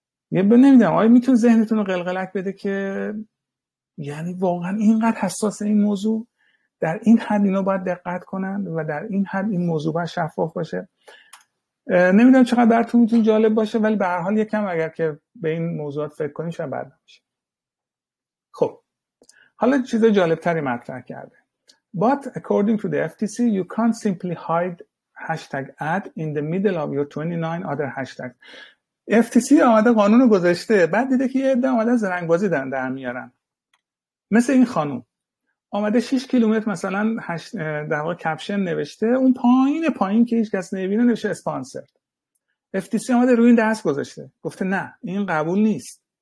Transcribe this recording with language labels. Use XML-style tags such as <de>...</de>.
<fa>یه نمیدونم آیا میتونه ذهنتون رو قلقلک بده که یعنی واقعا اینقدر حساس این موضوع، در این حد اینا باید دقت کنن و در این حد این موضوع باید شفاف باشه. نمیدونم چقدر براتون میتونه جالب باشه، ولی به هر حال یکم اگر که به این موضوعات فکر کنین شاید بد نشه. خب حالا چیز جالب تری مطرح کرده.</fa> <en>But according to the FTC, you can't simply hide hashtag ad in the middle of your 29 other hashtags.</en> <fa>FTC آمده قانون رو گذاشته، بعد دیده که یه عده آمده زرنگبازی دارن در میارن. مثل این خانوم. آمده 6 کیلومتر مثلا در واقع کپشن نوشته، اون پایین که هیچ کس نمیبینه نوشته اسپانسر. FTC آمده روی این دست گذاشته. گفته نه، این قبول نیست.</fa>